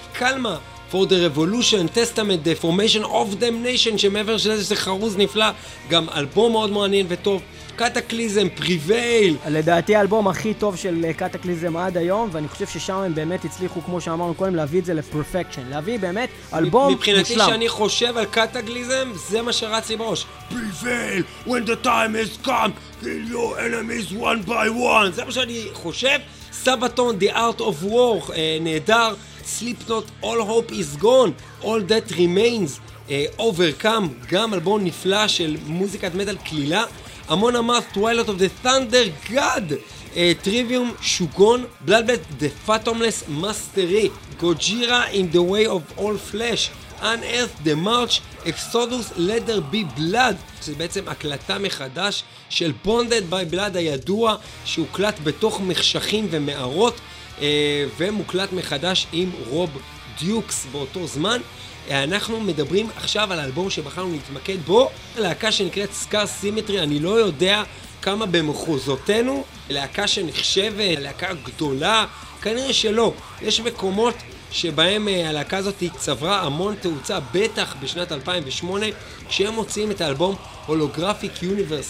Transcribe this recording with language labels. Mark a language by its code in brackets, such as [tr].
[he] קלמה, for the revolution, testament, the formation of damnation, שמעבר של איזה חרוז נפלא, גם אלבום מאוד מעניין וטוב. קטקליזם, פריבייל. לדעתי האלבום הכי טוב של קטקליזם עד היום, ואני חושב ששם הם באמת הצליחו, כמו שאמרנו קודם, להביא את זה לפרפקשן. להביא באמת אלבום מבחינתי מושלם. מבחינתי שאני חושב על קטקליזם, זה מה שרץ לי בראש. [en] פריבייל, when the time has come, kill your enemies one by one. [he] זה מה שאני חושב. סבתון, the art of war, נהדר. Slipknot, all hope is gone, all that remains, overcome, גם אלבום נפלא של מוזיקת מטל כלילה. Amon Amarth, Twilight of the Thunder God, Trivium, Shugon, Bloodbath, the Fathomless Mastery, Gojira in the Way of All Flesh, Unearth, the March, Exodus, Let There Be Blood, זה בעצם הקלטה מחדש של Bonded by Blood הידוע, שהוקלט בתוך מחשכים ומערות, ומוקלט מחדש עם רוב דיוקס באותו זמן. אנחנו מדברים עכשיו על אלבום שבחרנו להתמקד בו, להקה שנקראת סקאר סימטרי. אני לא יודע כמה במחוזותינו להקה שנחשבת להקה גדולה, כנראה שלא. יש מקומות שבהם הלהקה הזאת צברה המון תאוצה, בטח בשנת 2008 כשהם מוציאים את האלבום הולוגרפיק יוניברס.